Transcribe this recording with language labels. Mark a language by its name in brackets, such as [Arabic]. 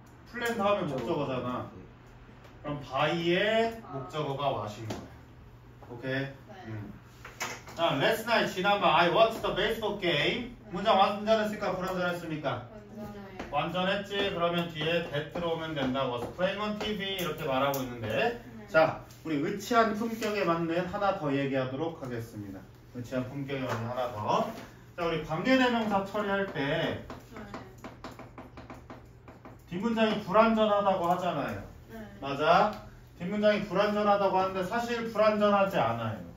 [Korean] 플랜 다음에 목적어잖아. 그럼 바이의 목적어가 와신 거야. 오케이. 네. [English] 자, last night [Korean] 지난밤 [English] I watched the baseball game. [Korean] 네. 문장 완전했을까? 불완전했습니까? 완전해요. 완전했지. 그러면 뒤에 that 들어오면 된다. [English] Was playing on TV [Korean] 이렇게 말하고 있는데. 네. 자, 우리 의치한 품격에 맞는 하나 더 얘기하도록 하겠습니다. 의치한 품격에 맞는 하나 더. 자, 우리 관계대명사 처리할 때. 네. 뒷문장이 불완전하다고 하잖아요. 네. 맞아? 뒷문장이 불완전하다고 하는데 사실 불완전하지 않아요.